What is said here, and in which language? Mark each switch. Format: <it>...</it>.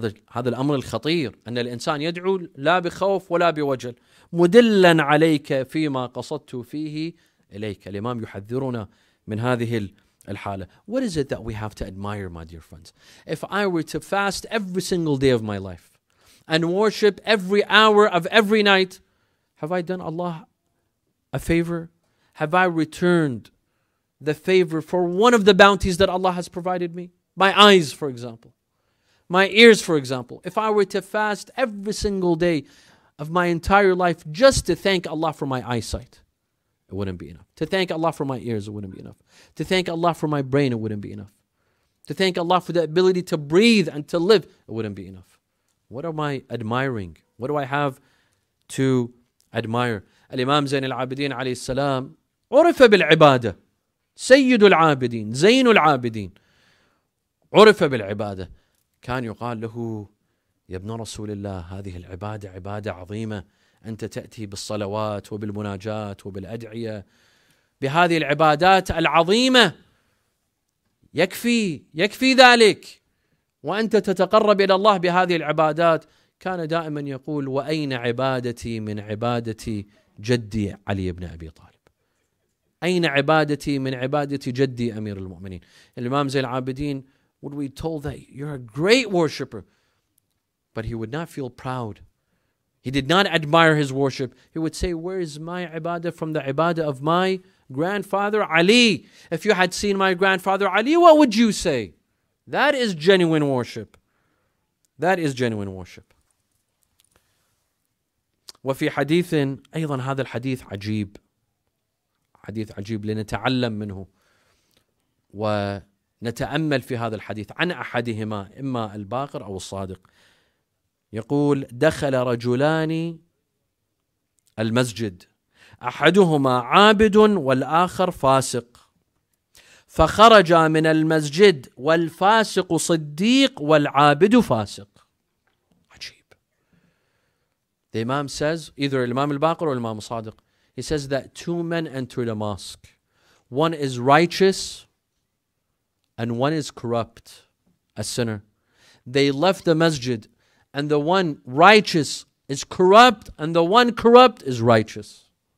<ar>هذا الأمر الخطير, أن الإنسان يدعو لا بخوف ولا بوجل. مدلًا عليك فيما قصدت فيه إليك. الإمام يحذرنا من هذه الحالة.</ar> <en>What is it that we have to admire, my dear friends? If I were to fast every single day of my life and worship every hour of every night, have I done Allah a favor? Have I returned the favor for one of the bounties that Allah has provided me? My eyes, for example. My ears, for example. If I were to fast every single day of my entire life just to thank Allah for my eyesight, it wouldn't be enough. To thank Allah for my ears, it wouldn't be enough. To thank Allah for my brain, it wouldn't be enough. To thank Allah for the ability to breathe and to live, it wouldn't be enough. What am I admiring? What do I have to admire?</en> <ar>Al-Imam Zain al-Abidin alayhi salam, عرف بالعبادة. سيد العابدين, زين العابدين. عرف بالعبادة. كان يقال له, يا ابن رسول الله, هذه العبادة عبادة عظيمة. أنت تأتي بالصلوات وبالمناجات وبالأدعية, بهذه العبادات العظيمة, يكفي ذلك, وأنت تتقرب إلى الله بهذه العبادات. كان دائما يقول, وأين عبادتي من عبادتي جدي علي بن أبي طالب, أين عبادتي من عبادتي جدي أمير المؤمنين.</ar> <en>الإمام زين العابدين, would we told that you're a great worshipper, but he would not feel proud. He did not admire his worship. He would say, where is my ibadah from the ibadah of my grandfather Ali? If you had seen my grandfather Ali, what would you say? That is genuine worship. That is genuine worship.</en> <ar>وفي حديث أيضا, هذا الحديث عجيب, حديث عجيب, لنتعلم منه ونتأمل في هذا الحديث عن أحدهما, إما الباقر أو الصادق. يقول, دخل رجلان المسجد أحدهما عابد والآخر فاسق. فخرج من المسجد والفاسق صديق والعابد فاسق. عجيب.</ar> <en>The Imam says, either Imam al-Baqir or Imam al-Sadiq, he says that two men entered a mosque. One is righteous and one is corrupt, a sinner. They left the masjid, and the one righteous is corrupt, and the one corrupt is righteous.</en>